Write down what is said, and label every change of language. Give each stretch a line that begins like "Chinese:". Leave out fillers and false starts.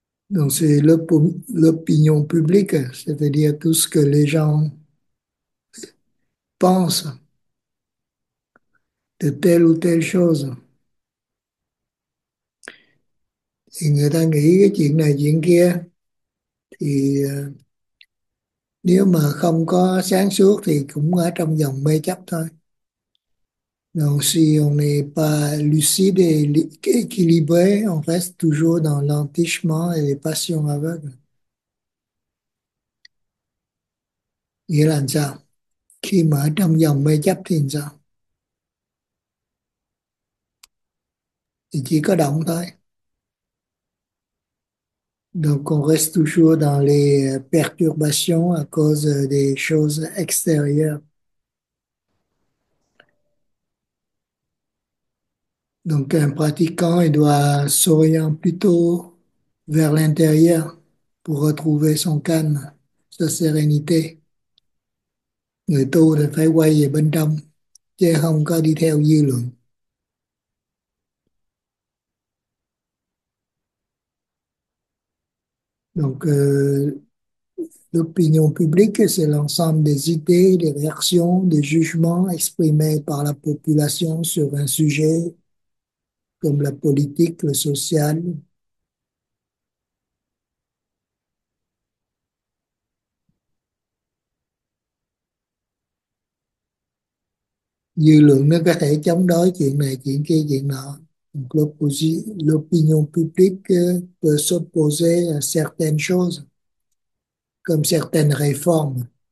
French: Donc c'est l'opinion publique, c'est-à-dire tout ce que les gens pensent de telle ou telle chose.
Vietnamese: Et người ta nghĩ cái chuyện này chuyện kia, thì nếu mà không có sáng suốt thì cũng ở trong vòng mê chấp thôi.
French: Donc si on n'est pas lucide et équilibré, on reste toujours dans l'entêtement et les passions aveugles.
Vietnamese: Nghĩa là sao? Khi mà ở trong dòng mê chấp thì sao? Thì chỉ có động thôi.
French: Donc on reste toujours dans les perturbations à cause des choses extérieures. Donc un pratiquant, il doit s'orienter plutôt vers l'intérieur pour retrouver son calme, sa sérénité.
Vietnamese: Người tu thì phải quay về bên trong, chứ không có đi theo dư luận.
French: Donc l'opinion publique, c'est l'ensemble des idées, des réactions, des jugements exprimés par la population sur un sujet, comme la politique, le social.
Vietnamese: Dư luận nó có thể chống đối chuyện này, chuyện kia, chuyện nọ.
French: L'opinion publique peut s'opposer à certaines choses, comme certaines réformes.